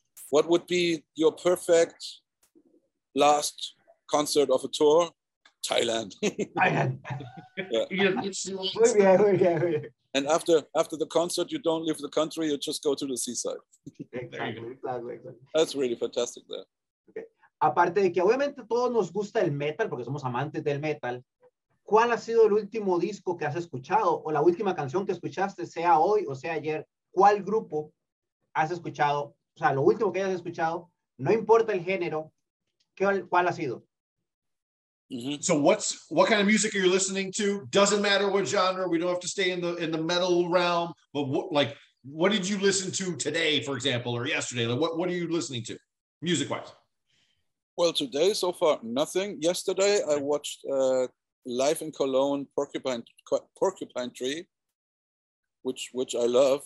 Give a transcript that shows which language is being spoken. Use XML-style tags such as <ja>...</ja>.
<en>What would be your perfect last concert of a tour? Thailand. Thailand. Yeah. And after the concert, you don't leave the country, you just go to the seaside. Exactly. That's really fantastic there. Okay.</en> <es>Aparte de que obviamente todos nos gusta el metal, porque somos amantes del metal, ¿cuál ha sido el último disco que has escuchado o la última canción que escuchaste, sea hoy o sea ayer? ¿Cuál grupo has escuchado? O sea, lo último que hayas escuchado, no importa el género, ¿cuál ha sido? Mm-hmm.</es> <en>So what kind of music are you listening to? Doesn't matter what genre. We don't have to stay in the metal realm. But what did you listen to today, for example, or yesterday? Like what are you listening to, music wise? Well, today so far nothing. Yesterday I watched live in Cologne Porcupine Tree, which I love.</en>